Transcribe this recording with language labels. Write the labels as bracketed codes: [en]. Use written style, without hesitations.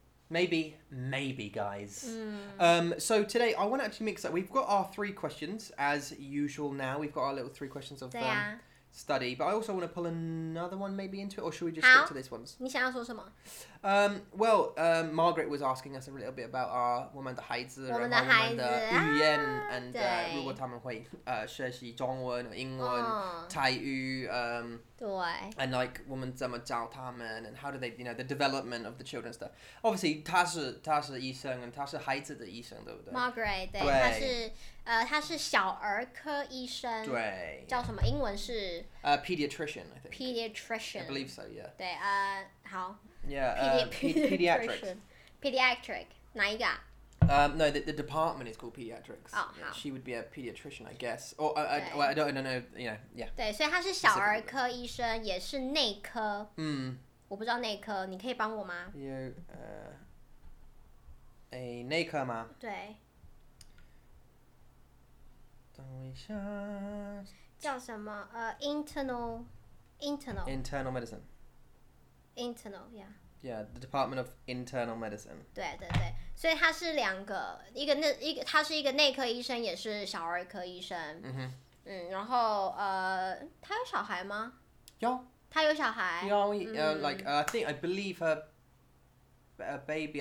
[en] Maybe, guys. So today I want to actually mix up. We've got our three questions as usual. Now we've got our little three questions of them. Study, but I also want to pull another one maybe into it, or should we just stick to this one? [zh] 你想要说什么? [en] Well, Margaret was asking us a little bit about our [zh] 我们的孩子, 我们的孩子, 我们的语言, [en] and [zh] 如果他们会学习中文, 英文, 台语, 对, [en] and like [zh] 我们怎么教他们, [en] and how do they, you know, the development of the children stuff. [zh] Obviously, 他是医生, and 他是孩子的医生, 对不对? Margaret, 对, 对他是小儿科医生，对，叫什么？英文是 [en] pediatrician, I think. Pediatrician, I believe so. Yeah. [zh] 对，好。 [en] Yeah, pediatric. Ne yi ga? No, the department is called pediatrics. Oh, yeah, she would be a pediatrician, I guess. Or I don't know. You know, yeah. [zh] 对，所以他是小儿科医生，也是内科。嗯，我不知道内科，你可以帮我吗？有内科吗？对。等一下，叫什么？internal Internal. [en] Internal medicine. Internal, yeah. Yeah, the Department of Internal Medicine. [zh] 对对对，所以他是两个，一个那一个，他是一个内科医生，也是小儿科医生。嗯，然后他有小孩吗？有。他有小孩。 [en] 有、I think I believe her, a baby.